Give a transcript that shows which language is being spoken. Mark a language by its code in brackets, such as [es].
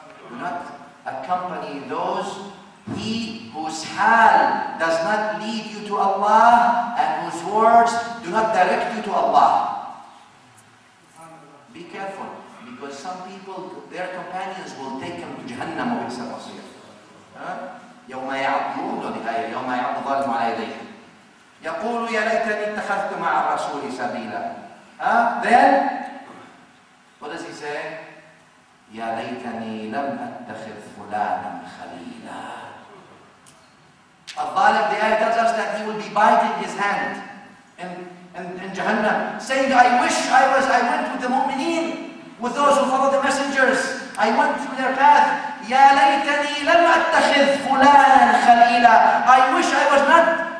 [en] Do not accompany those he whose hal does not lead you to Allah and whose words do not direct you to Allah. Be careful, because some people, their companions will take them to Jahannam or Isa Masir. [ar] يوم يعضون الآية يوم يعض الظالم على يديه يقول يا ليتني اتخذت مع الرسول سبيلا. [en] Then what does he say? [ar] يا ليتني لم اتخذ فلانا خليلا. [en] الظالم, the ayah tells us that he will be biting his hand in Jahannam, saying, I wish I went with the mu'mineen, with those who follow the messengers. I went through their path. [ar] يَا لَيْتَنِي لَمْ أَتَّخِذْ فُلَانًا خَلِيلًا.